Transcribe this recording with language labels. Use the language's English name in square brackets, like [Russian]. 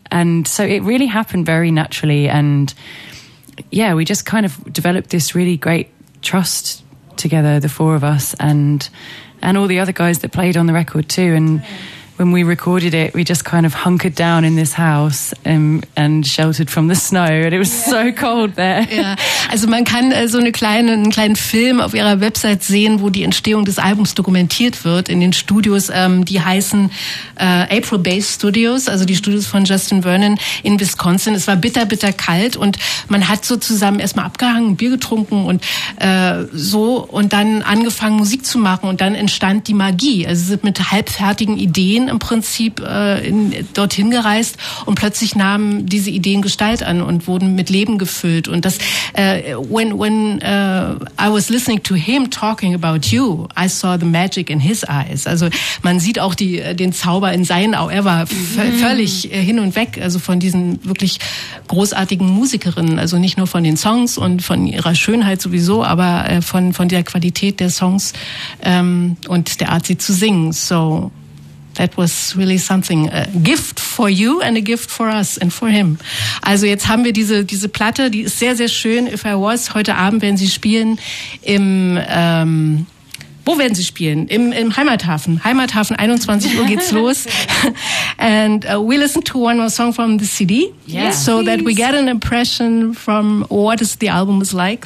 [English] And so it really happened very naturally. And yeah, we just kind of developed this really great trust together, the four of us, and all the other guys that played on the record too. And when we recorded it, we just kind of hunkered down in this house and sheltered from the snow. And it was so cold there. [German] Ja, also man kann so einen kleinen Film auf ihrer Website sehen, wo die Entstehung des Albums dokumentiert wird in den Studios. Die heißen April Bass Studios, also die Studios von Justin Vernon in Wisconsin. Es war bitter kalt und man hat so zusammen erstmal abgehangen, Bier getrunken und so und dann angefangen Musik zu machen. Und dann entstand die Magie. Also sie sind mit halbfertigen Ideen im Prinzip dorthin gereist und plötzlich nahmen diese Ideen Gestalt an und wurden mit Leben gefüllt. Und das, [English] when I was listening to him talking about you, I saw the magic in his eyes. [German] Also man sieht auch den Zauber in seinen Augen. Er war völlig hin und weg, also von diesen wirklich großartigen Musikerinnen. Also nicht nur von den Songs und von ihrer Schönheit sowieso, aber von der Qualität der Songs und der Art, sie zu singen. [English] So that was really something, a gift for you and a gift for us and for him. [German] Also jetzt haben wir diese Platte, die ist sehr, sehr schön. If I Was, heute Abend werden sie spielen im, wo werden sie spielen? Im Heimathafen. Heimathafen, 21 Uhr geht's los. [English] And we listen to one more song from the CD. Yeah, so please, that we get an impression from what is the album is like.